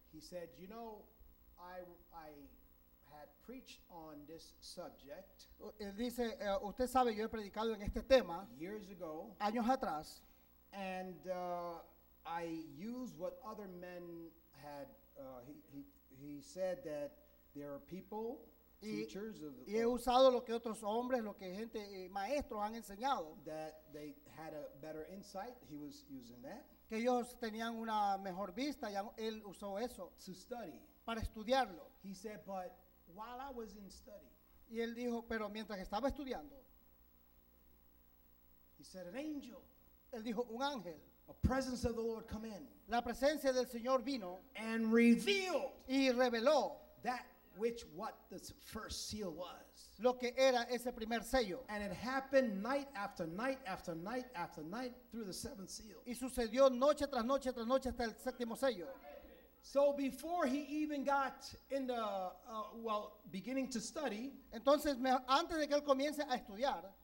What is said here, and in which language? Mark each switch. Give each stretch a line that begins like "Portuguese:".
English: he said, "You know, I had preached on this subject."
Spanish: Él dice, "Usted sabe, yo he predicado en este tema
English: years ago,
Spanish: años atrás,
English: and I used what other men had." He said that there are people. Teachers of
Spanish: y he usado lo que otros hombres, lo que gente, maestros han enseñado.
English: That they had a better insight. He was using that.
Spanish: Que ellos tenían una mejor vista. Ya él usó eso.
English: To study.
Spanish: Para estudiarlo.
English: He said, but while I was in study.
Spanish: Y él dijo, pero mientras estaba estudiando.
English: He said, an angel.
Spanish: Él dijo, un ángel.
English: A presence of the Lord come in.
Spanish: La presencia del Señor vino.
English: And revealed.
Spanish: Y reveló.
English: That. Which what the first seal was.
Spanish: Lo que era ese primer sello.
English: And it happened night after night after night after night through the seventh seal.
Spanish: Y sucedió noche tras noche tras noche hasta el séptimo sello.
English: So before he even got in the beginning to study.
Spanish: Entonces antes de que él comience a estudiar.